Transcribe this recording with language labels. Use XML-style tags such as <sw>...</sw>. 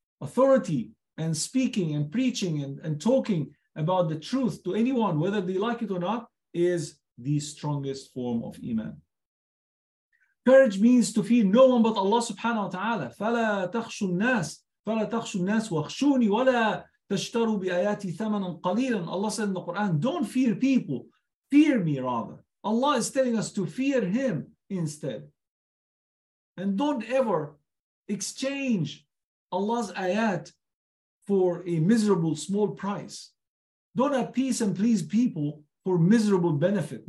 <en>Authority and speaking and preaching and talking about the truth to anyone, whether they like it or not, is the strongest form of iman. Courage means to fear no one but Allah subhanahu wa ta'ala.</en> <ar>فَلَا تَخْشُ النَّاسِ وَخْشُونِ وَلَا تَشْتَرُوا بِآيَاتِ ثَمَنًا قَلِيلًا.</ar> <en>Allah said in the Quran, don't fear people, fear me rather. Allah is telling us to fear him instead. And don't ever exchange Allah's ayat for a miserable small price. Don't appease and please people for miserable benefit.</en>